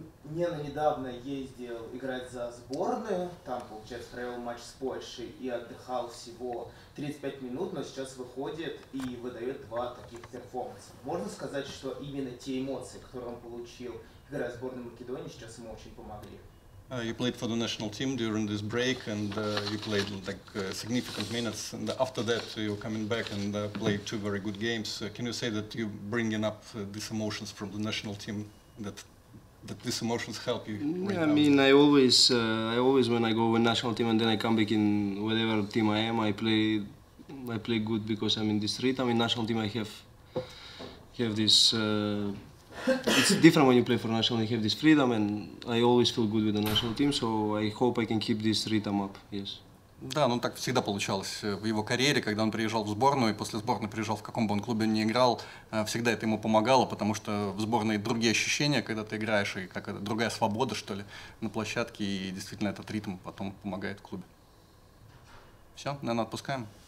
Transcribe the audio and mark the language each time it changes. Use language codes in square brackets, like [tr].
[ru] Нена недавно ездил играть за сборную, там, получается, провел матч с Польшей и отдыхал всего 35 минут, но сейчас выходит и выдает 2 таких перформанса. Можно сказать, что именно те эмоции, которые он получил, играя в сборную Македонии, сейчас ему очень помогли? [en] You played for the national team during this break, and you played like significant minutes. And after that, you're coming back and played 2 very good games. Can you say that you're bringing up these emotions from the national team that these emotions help you? Yeah, I mean, I always when I go with national team and then I come back in whatever team I am, I play good because I'm in this rhythm. In national team, I have this it's different when you play for national. You have this freedom, and I always feel good with the national team. So I hope I can keep this rhythm up. Yes. [ru] Да, ну так всегда получалось в его карьере, когда он приезжал в сборную, и после сборной приезжал, в каком бы он клубе ни играл, всегда это ему помогало, потому что в сборной другие ощущения, когда ты играешь, и как это, другая свобода, что ли, на площадке, и действительно этот ритм потом помогает клубе. Все, наверное, отпускаем.